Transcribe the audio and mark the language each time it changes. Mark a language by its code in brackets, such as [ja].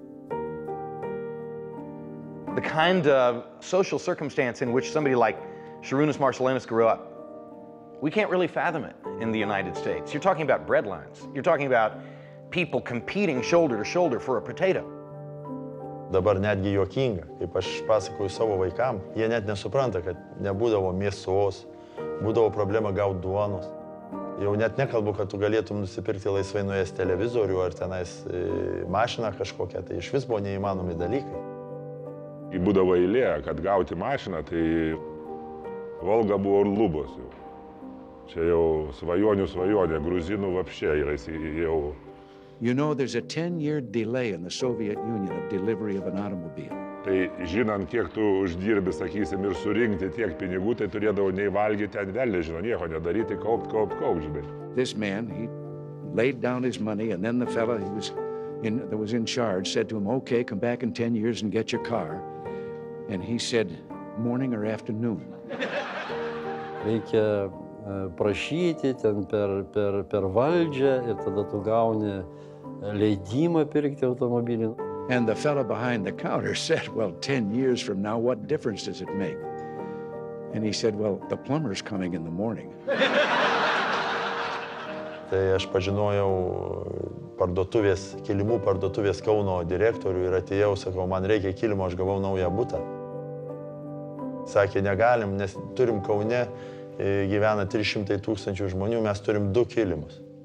[en] The kind of social circumstance in which somebody like Šarūnas Marčiulionis grew up, we can't really fathom it in the United States. You're talking about breadlines. You're talking about people competing shoulder to shoulder for a potato. [lt] Dabar netgi juokinga. Kaip aš pasakoju savo vaikam, jie net nesupranta, kad nebūdavo mėsos. Būdavo problema gauti duonos. Jau net nekalbu, kad tu galėtum nusipirkti laisvai nuėjęs televizorių ar tenais mašiną kažkokią. Tai iš vis buvo neįmanomi dalykai. Būdavo eilė, kad gauti mašiną, tai Volga buvo ir lubos jau. Čia jau svajonė, gruzinų vapšė yra jau. [en] You know, there's a 10-year delay in the Soviet Union of delivery of an automobile. [lt] Tai žinant, kiek tu uždirbi, sakysim, ir surinkti tiek pinigų, tai turėdavo nei valgyti ten vėl, nežino, nieko nedaryti, kaupt, žinai. [en] This man, he laid down his money, and then the fellow that was in charge said to him, okay, come back in 10 years and get your car. And he said, morning or afternoon. [lt] Reikia prašyti ten per valdžią, ir tada tu gauni leidimą pirkti automobilį. [en] And the fellow behind the counter said, well, 10 years from now, what difference does it make? And he said, well, the plumber's coming in the morning. [lt] Tai aš pažinojau kilimų parduotuvės Kauno direktorių ir atėjau, sakau, man reikia kilimo, aš gavau naują butą. Sakė, negalim, nes turim Kaune, gyvena 300 tūkstančių žmonių, mes turim du kilimus.